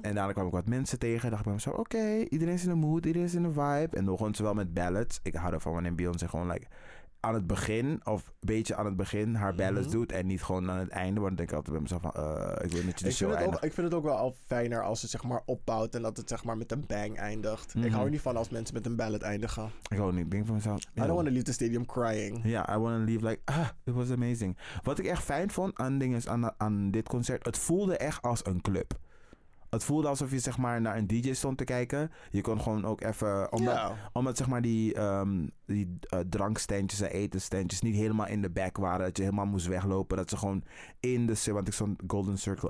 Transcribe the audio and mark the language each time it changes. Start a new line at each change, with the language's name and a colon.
Dutch: En daarna kwam ik wat mensen tegen, dacht ik bij mezelf, oké, iedereen is in de mood, iedereen is in de vibe. En dan begon ze wel met ballads. Ik hou ervan wanneer Beyoncé gewoon like, aan het begin, of een beetje aan het begin, haar ballads doet en niet gewoon aan het einde. Want dan denk ik altijd bij mezelf van, ik wil niet je de show eindigen. Ik vind het ook wel al fijner als het zeg maar opbouwt en dat het zeg maar met een bang eindigt. Mm-hmm. Ik hou er niet van als mensen met een ballad eindigen. Ik ook niet. Ik denk van mezelf,
English: I don't want to leave the stadium crying. Yeah, I want to leave like, it was amazing.
Dutch: Wat ik echt fijn vond aan dingen is aan dit concert, het voelde echt als een club. Het voelde alsof je zeg maar naar een DJ stond te kijken. Je kon gewoon ook even... Omdat zeg maar die drankstandjes en etenstandjes niet helemaal in de back waren. Dat je helemaal moest weglopen. Dat ze gewoon in de... Want ik stond Golden Circle